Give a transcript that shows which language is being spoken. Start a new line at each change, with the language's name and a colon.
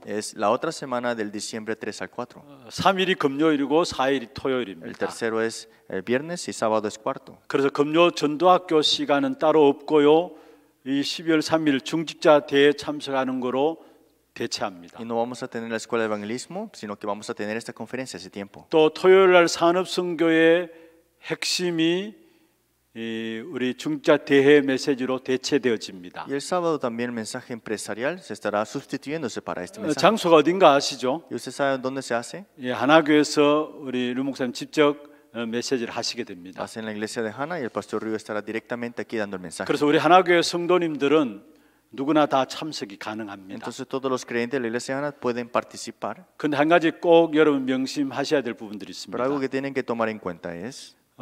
Spanish: Es la otra semana del diciembre 3 al 4.
Korean: 3일이 금요일이고 4일이 토요일입니다.
Spanish: El tercero es el viernes y sábado es cuarto.
Korean: 그래서 금요 전도학교 시간은 따로 없고요. 이 12월 3일 중직자 대회 참석하는 거로 대체합니다.
Spanish: Y no vamos a tener la escuela de evangelismo, sino que vamos a tener esta conferencia ese tiempo.
Korean: 또 토요일 날 산업 선교의 핵심이 우리 중자 대회 메시지로 대체되어집니다.
Spanish: Y el sábado también el mensaje empresarial se estará sustituyéndose para este mensaje.
Korean: 장소가 어딘가 아시죠?
Spanish: ¿Y usted sabe dónde se hace?
Korean: 예, 하나교회에서 우리 류 목사님 직접 메시지를 하시게 됩니다.
Spanish: Hace en la iglesia de Hana y el pastor Ryu estará directamente aquí dando el mensaje.
Korean: 그래서 우리 하나교회 성도님들은 누구나 다 참석이 가능합니다.
Spanish: Entonces todos los creyentes de la iglesia de Hana pueden participar.
Korean: 근데 한 가지 꼭 여러분 명심하셔야 될 부분들이 있습니다.
Spanish: Pero algo que tienen que tomar en cuenta es